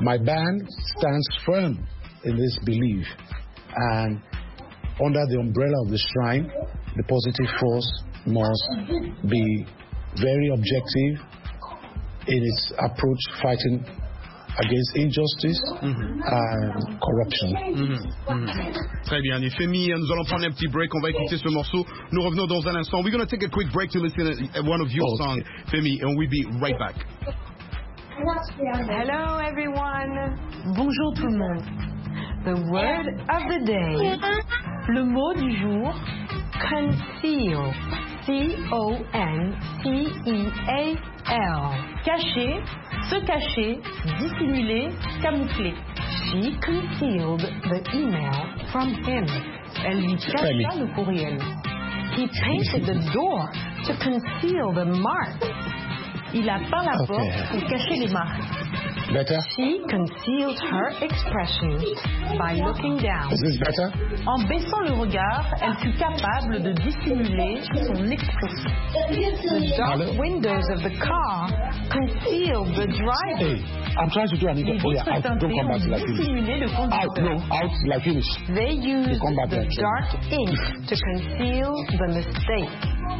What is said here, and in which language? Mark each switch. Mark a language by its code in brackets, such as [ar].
[en] My band stands firm in this belief, and under the umbrella of the Shrine, the Positive Force must be very objective in its approach fighting against injustice and corruption. [fr] Très bien, et Femi, nous allons prendre un petit break. On va écouter ce morceau. Nous revenons dans un instant. [en] We're going to take a quick break to listen to one of your songs, Femi, and we'll be right back. Hello, everyone. [fr] Bonjour tout le monde. [en] The word of the day. [fr] Le mot du jour. [en] Conceal. C-O-N-C-E-A-L. [fr] Cacher, se cacher, dissimuler, camoufler. [en] She concealed the email from him. [fr] Elle lui cacha le courriel. [en] He painted the door to conceal the marks. [fr] Il a peint la porte pour cacher les marques. [en] Better? She concealed her expression by looking down. Is this better? [fr] En baissant le regard, elle fut capable de dissimuler son expression. [en] The dark windows of the car concealed the driver. Hey, I'm trying to do an interview. Oh, yeah, don't come back like this. They used the dark ink to conceal the mistake.